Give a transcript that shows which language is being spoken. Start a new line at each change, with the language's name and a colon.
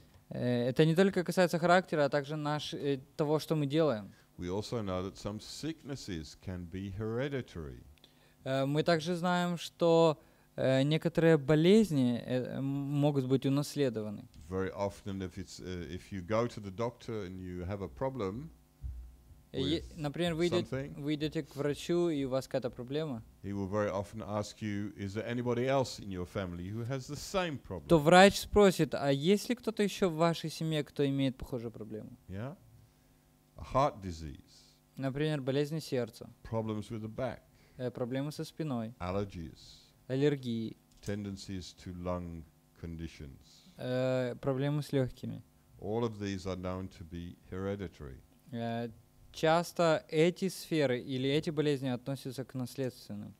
Russian: Это не только касается характера, а также того, что мы делаем.
English: We also know that some sicknesses can be hereditary.
Russian: Мы также знаем, что некоторые болезни могут быть унаследованы.
English: Very often if you go to the doctor and you have a problem
Russian: Например, вы идете к врачу, и у вас какая-то проблема.
English: He will very often ask you, is there anybody else in your family who has the same problem?
Russian: То врач спросит, а есть ли кто-то еще в вашей семье, кто имеет похожую проблему?
English: Yeah. A heart disease.
Russian: Например, болезни сердца.
English: Problems with the back.
Russian: Проблемы со спиной.
English: Allergies.
Russian: Аллергии.
English: Tendencies to lung conditions.
Russian: Проблемы с легкими.
English: All of these are known to be hereditary.
Russian: часто эти сферы или эти болезни относятся к наследственным.